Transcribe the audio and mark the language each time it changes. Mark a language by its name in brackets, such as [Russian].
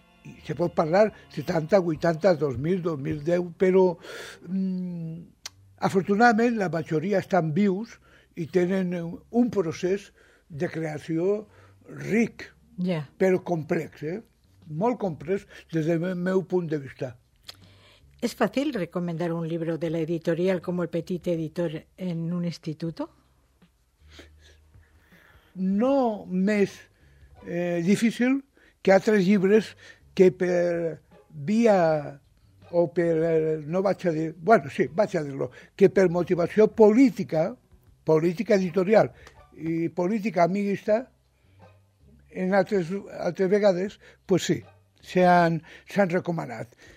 [Catalan] I se pot parlar 70, 80, 2000, 2010, però afortunadament la majoria estan vius i tenen un procés de creació ric, però complex, molt complex des del meu punt de vista. [Spanish] ¿Es fácil recomendar un libro de la editorial como el Petit Editor en un instituto? [Catalan] No més difícil que altres llibres que per via o per, no vaig a dir, bueno, sí, vaig a dir-lo, que per motivació política editorial i política amiguista, en altres vegades, pues sí, s'han recomanat.